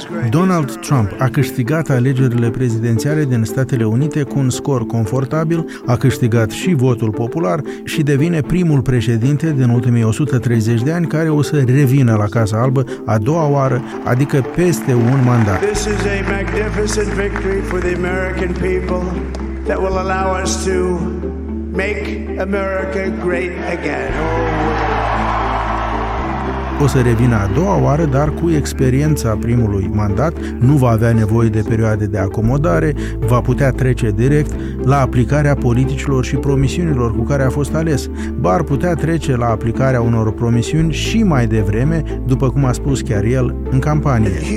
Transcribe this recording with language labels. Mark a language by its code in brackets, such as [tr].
[ro] Donald Trump a câștigat alegerile prezidențiale din Statele Unite cu un scor confortabil, a câștigat și votul popular și devine primul președinte din ultimii 130 de ani care o să revină la Casa Albă a doua oară, adică peste un mandat. [en] This is a magnificent victory for the American people that will allow us to make America great again. [ro] O să revină a doua oară, dar cu experiența primului mandat, nu va avea nevoie de perioade de acomodare, va putea trece direct la aplicarea politicilor și promisiunilor cu care a fost ales. Ba ar putea trece la aplicarea unor promisiuni și mai devreme, după cum a spus chiar el în campanie.